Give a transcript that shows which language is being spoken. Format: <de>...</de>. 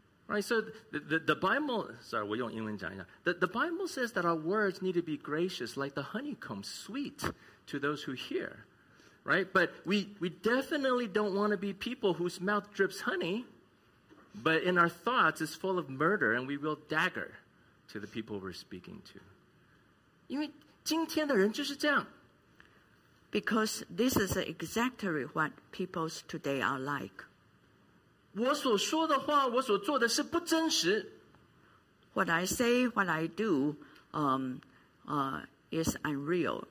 <en>Right, so the Bible, sorry,</en> <zh>我用英文讲一下,</zh> <en>the Bible says that our words need to be gracious, like the honeycomb, sweet to those who hear, right? But we definitely don't want to be people whose mouth drips honey, but in our thoughts is full of murder, and we will dagger to the people we're speaking to.</en> <zh>因为今天的人就是这样。</zh> <en>Because this is exactly what people today are like.</en> <zh>我所说的话，我所做的事不真实。</zh> <en>What I say, what I do, is unreal.</en>